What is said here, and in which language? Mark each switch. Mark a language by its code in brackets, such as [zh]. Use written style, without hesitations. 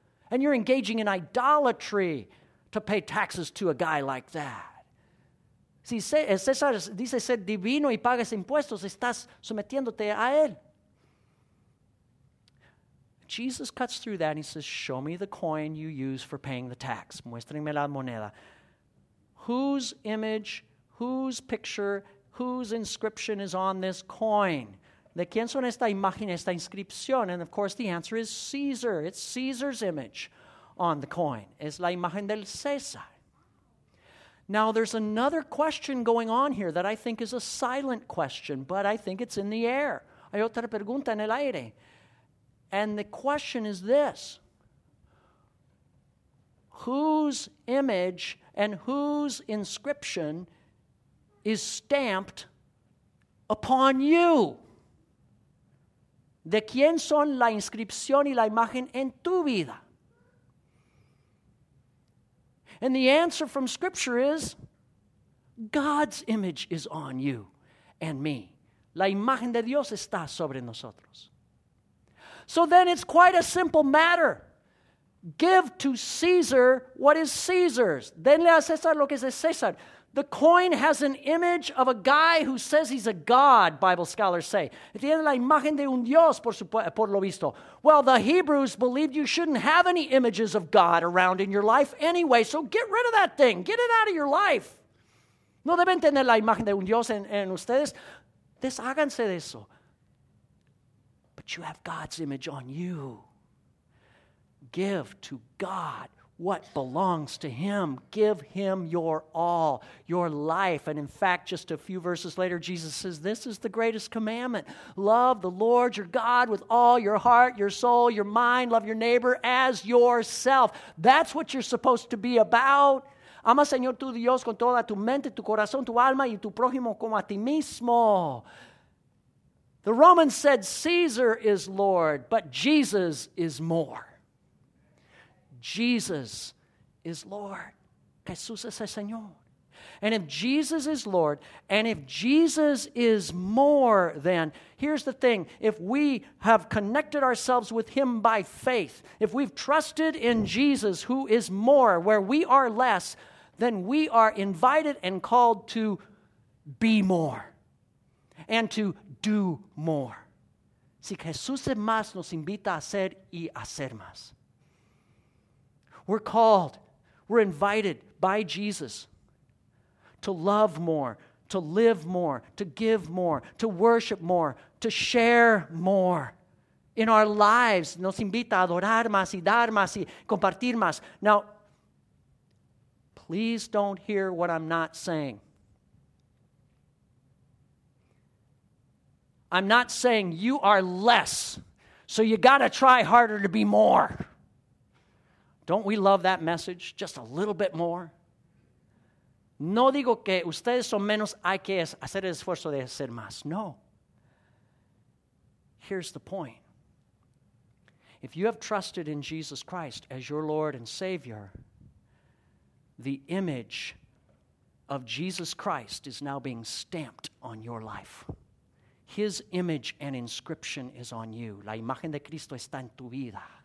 [en] And you're engaging in idolatry to pay taxes to a guy like that. [es] Si César dice ser divino y pagas impuestos, estás sometiéndote a él. [en] Jesus cuts through that and he says, show me the coin you use for paying the tax. [es] Muéstrame la moneda. [en] Whose image, whose picture, whose inscription is on this coin? [es] ¿De quién son esta imagen, esta inscripción? [en] And of course the answer is Caesar. It's Caesar's image on the coin. [es] Es la imagen del César. [en] Now there's another question going on here that I think is a silent question, but I think it's in the air. [es] Hay otra pregunta en el aire. [en] And the question is this. Whose image and whose inscription is stamped upon you? [es] ¿De quién son la inscripción y la imagen en tu vida? [en] And the answer from Scripture is, God's image is on you and me. [es] La imagen de Dios está sobre nosotros. [en] So then it's quite a simple matter. Give to Caesar what is Caesar's. [es] Denle a César lo que es de César. [en] The coin has an image of a guy who says he's a god, Bible scholars say. [es] Tiene la imagen de un Dios, por lo visto. [en] Well, the Hebrews believed you shouldn't have any images of God around in your life anyway, so get rid of that thing. Get it out of your life. [es] No deben tener la imagen de un Dios en ustedes. Desháganse de eso. [en] But you have God's image on you. Give to God what belongs to him. Give him your all, your life. And in fact, just a few verses later, Jesus says, this is the greatest commandment. Love the Lord your God with all your heart, your soul, your mind. Love your neighbor as yourself. That's what you're supposed to be about. [es] Ama Señor tu Dios con toda tu mente, tu corazón, tu alma y tu prójimo como a ti mismo. [en] The Romans said Caesar is Lord, but Jesus is more. Jesus is Lord. [es] Jesús es el Señor. [en] And if Jesus is Lord, and if Jesus is more than, here's the thing, if we have connected ourselves with him by faith, if we've trusted in Jesus who is more, where we are less, then we are invited and called to be more and to do more. [es] Si Jesús es más, nos invita a ser y hacer más. [en] We're called, we're invited by Jesus to love more, to live more, to give more, to worship more, to share more in our lives. [es] Nos invita a adorar más y dar más y compartir más. [en] Now, please don't hear what I'm not saying. I'm not saying you are less, so you got to try harder to be more. Don't we love that message just a little bit more? [es] No digo que ustedes son menos, hay que hacer el esfuerzo de hacer más. [en] No. Here's the point. If you have trusted in Jesus Christ as your Lord and Savior, the image of Jesus Christ is now being stamped on your life. His image and inscription is on you. [es] La imagen de Cristo está en tu vida.